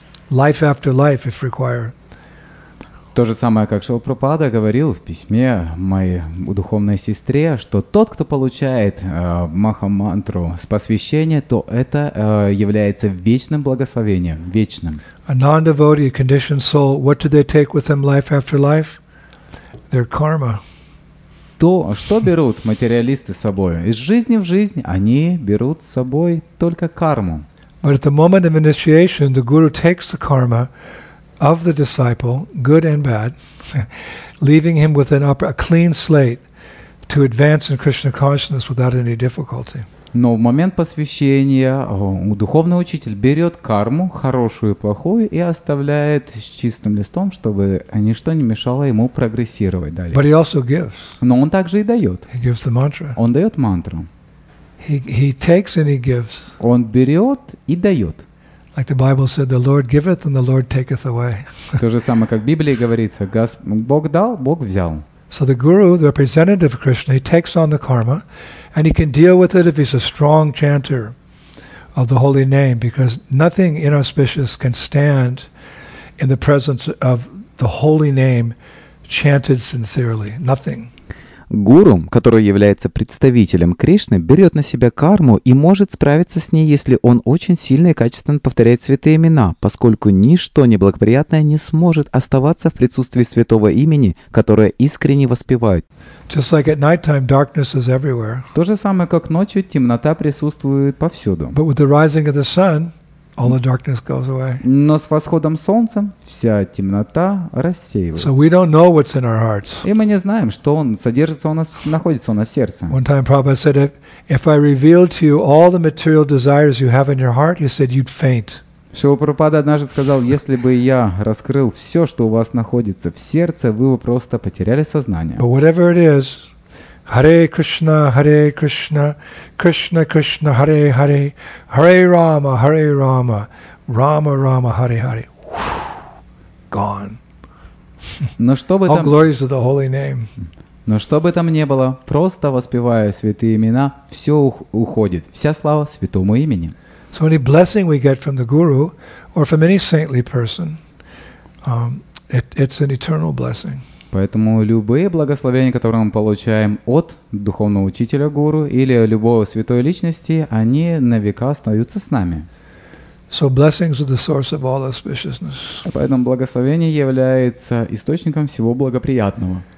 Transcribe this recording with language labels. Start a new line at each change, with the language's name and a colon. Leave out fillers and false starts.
English: Life after life, if required.
Russian: То же самое, как Шрила Прабхупада говорил в письме моей духовной сестре, что тот, кто получает маха-мантру с посвящения, то это является вечным благословением, вечным.
English: A non-devotee, a conditioned soul, what do they take with them life after life? Their karma.
Russian: То, что берут материалисты с собой? Из жизни в жизнь они берут с собой только карму.
English: But at the moment of initiation, the guru takes the karma of the disciple, good and bad, leaving him with a clean slate to advance in Krishna consciousness without any difficulty.
Russian: Но в момент посвящения духовный учитель берет карму, хорошую и плохую, и оставляет с чистым листом, чтобы ничто не мешало ему прогрессировать далее.
English: But he also gives.
Russian: Но он также и дает.
English: He gives the mantra.
Russian: Он дает мантру.
English: He takes and he gives.
Russian: Он берет и дает.
English: Like the Bible said, the Lord giveth and the Lord taketh away.
Russian: То же самое, как в Библии говорится: Бог дал, Бог взял.
English: So the guru, the representative of Krishna, he takes on the karma, and he can deal with it if he's a strong chanter of the holy name, because nothing inauspicious can stand in the presence of the holy name chanted sincerely. Nothing.
Russian: Гуру, который является представителем Кришны, берет на себя карму и может справиться с ней, если он очень сильно и качественно повторяет святые имена, поскольку ничто неблагоприятное не сможет оставаться в присутствии святого имени, которое искренне воспевают.
English: Just like at nighttime, darkness is everywhere.
Russian: То же самое, как ночью, темнота присутствует повсюду.
English: But with the rising of the sun, all the darkness goes away.
Russian: Но с восходом солнца вся темнота рассеивается.
English: So we don't know what's in our hearts.
Russian: И мы не знаем, что он содержится у нас, находится у нас в сердце.
English: One time Prabhupada said, if I revealed to you all the material desires you have in your heart, he said, you'd faint.
Russian: Шрила Прабхупада однажды сказал, если бы я раскрыл все, что у вас находится в сердце, вы бы просто потеряли сознание.
English: But whatever it is, Hare Krishna, Krishna Krishna, Hare Hare, Hare Rama, Rama Rama, Hare Hare. Gone.
Russian: Но что бы
English: All
Russian: там...
English: glories to the holy name.
Russian: Но что бы там ни было, просто воспевая святые имена, все уходит, вся слава святому имени.
English: So any blessing we get from the Guru or from any saintly person, it's an eternal blessing.
Russian: Поэтому любые благословения, которые мы получаем от духовного учителя гуру или любого святой личности, они на века остаются с нами.
English: So blessings are the source of all auspiciousness.
Russian: Поэтому благословение является источником всего благоприятного.